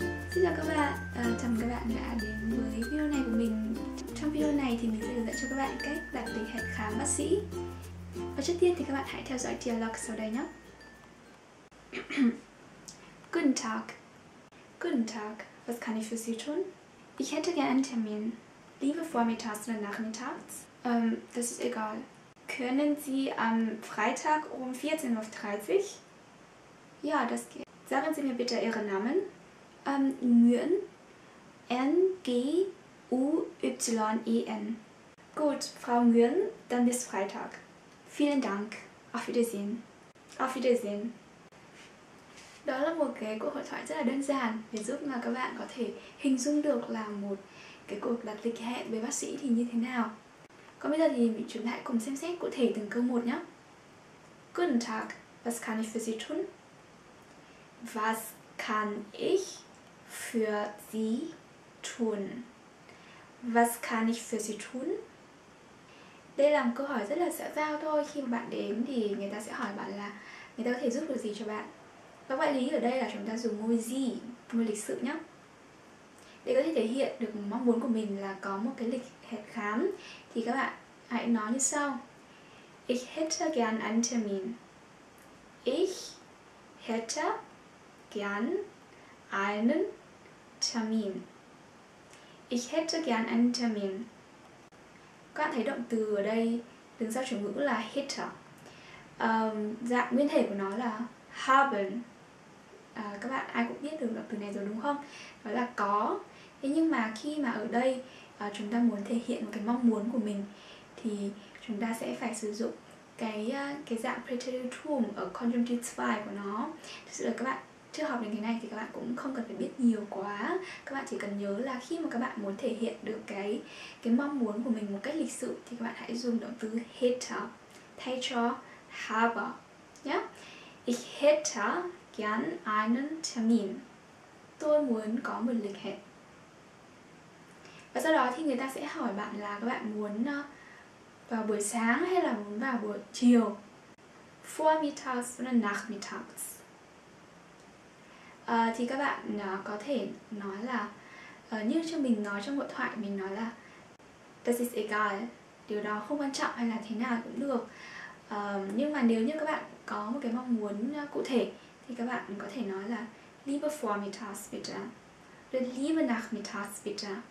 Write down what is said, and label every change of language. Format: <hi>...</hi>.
<vi>Xin chào các bạn, chào mừng các bạn đã đến với video này của mình. Trong video này thì mình sẽ hướng dẫn cho các bạn cách đặt lịch hẹn khám bác sĩ. Và trước tiên thì các bạn hãy theo dõi dialog sau đây nhé.</vi> <de>Guten Tag. Guten Tag, was kann ich für Sie tun? Ich hätte gerne einen Termin. Lieber vormittags oder nachmittags? Das ist egal. Können Sie am Freitag um 14.30 Uhr? Ja, das geht. Sagen Sie mir bitte Ihren Namen. Nguyen. N-G-U-Y-E-N. Gut, Frau Nguyen, dann bis Freitag. Vielen Dank. Auf Wiedersehen. Auf Wiedersehen.</de> <vi>Đó là một cái cuộc hội thoại rất là đơn giản để giúp mà các bạn có thể hình dung được là một cái cuộc đặt lịch hẹn với bác sĩ thì như thế nào. Còn bây giờ thì chúng ta hãy cùng xem xét cụ thể từng câu một nhé.</vi> <de>Guten Tag, was kann ich für Sie tun? Was kann ich für Sie tun? Was kann ich für Sie tun?</de> <vi>Đây là một câu hỏi rất là xã giao thôi. Khi mà bạn đến thì người ta sẽ hỏi bạn là người ta có thể giúp được gì cho bạn. Và ngoại lý ở đây là chúng ta dùng ngôi gì, ngôi lịch sự nhé. Để có thể thể hiện được mong muốn của mình là có một cái lịch hẹn khám thì các bạn hãy nói như sau.</vi> <de>Ich hätte gern einen Termin. Ich hätte gern einen Termin. Ich hätte gern einen Termin.</de> <vi>Các bạn thấy động từ ở đây đứng sau chủ ngữ là hätte. Dạng nguyên thể của nó là haben. Các bạn ai cũng biết được động từ này rồi đúng không? Đó là có. Thế nhưng mà khi mà ở đây chúng ta muốn thể hiện một cái mong muốn của mình thì chúng ta sẽ phải sử dụng cái dạng preterite tum ở conjunctive 2 của nó. Thực sự là các bạn chưa học đến cái này thì các bạn cũng không cần phải biết nhiều quá. Các bạn chỉ cần nhớ là khi mà các bạn muốn thể hiện được cái mong muốn của mình một cách lịch sự thì các bạn hãy dùng động từ hätte thay cho habe nhé. Ich hätte gern einen Termin. Tôi muốn có một lịch hẹn. Và sau đó thì người ta sẽ hỏi bạn là các bạn muốn vào buổi sáng hay là muốn vào buổi chiều.</vi> <de>Vormittags oder nachmittags.</de> <vi>Thì các bạn có thể nói là như cho mình nói trong hội thoại, mình nói là</vi> <de>das ist egal,</de> <vi>điều đó không quan trọng hay là thế nào cũng được. Nhưng mà nếu như các bạn có một cái mong muốn cụ thể thì các bạn có thể nói là</vi> <de>lieber vormittags bitte, oder lieber nachmittags bitte.</de>